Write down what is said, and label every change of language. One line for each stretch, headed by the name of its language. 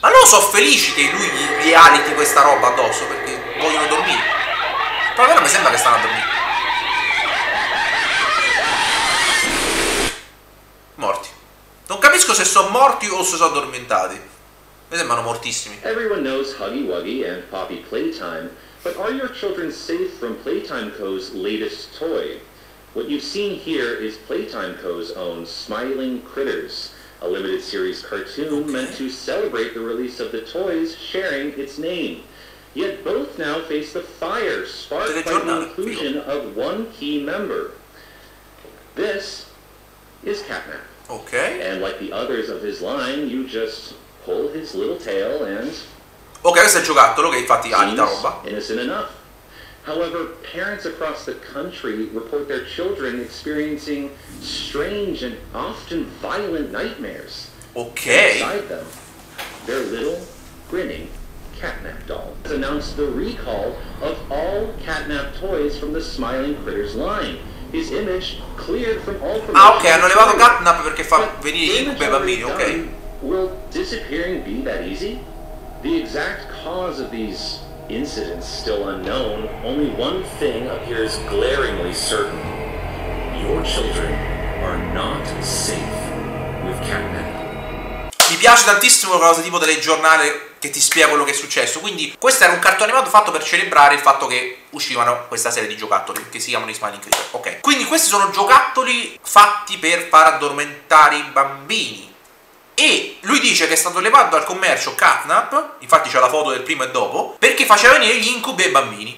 Italian: Ma loro sono felici che lui gli aliti questa roba addosso perché vogliono dormire. Però a me sembra che stanno a dormire. Morti. Non capisco se sono morti o se sono addormentati. Mi sembrano mortissimi.
English: Everyone knows Huggy Wuggy and Poppy Playtime, but are your children safe from Playtime Co.'s latest toy? What you've seen here is Playtime Co.'s own Smiling Critters, a limited series cartoon meant to celebrate the release of the toys sharing its name. Yet both now face the fire sparked by the inclusion of one key member. This is Catnap. Okay. And like the others of his line, you just pull his little tail and...
Italian: Ok, questo è il giocattolo che infatti ha la roba.
English: Innocent enough. However, parents across the country report their children experiencing strange and often violent nightmares. Ok. Inside them, their little grinning Catnap doll has announced the recall of all Catnap toys from the Smiling Critters line. His image cleared from all promotion.
Italian: Ah, ok, hanno levato Catnap perché fa venire i bambini, ok.
English: Will disappearing be that easy? The exact cause of these incidents still unknown, only one thing appears glaringly certain. Your children are not safe with Catnap.
Italian: Mi piace tantissimo cosa tipo telegiornale che ti spiega quello che è successo. Quindi questo era un cartone animato fatto per celebrare il fatto che uscivano questa serie di giocattoli che si chiamano i Smiling Critters. Ok, quindi questi sono giocattoli fatti per far addormentare i bambini. E lui dice che è stato levato dal commercio Catnap, infatti c'è la foto del prima e dopo, perché faceva venire gli incubi ai bambini.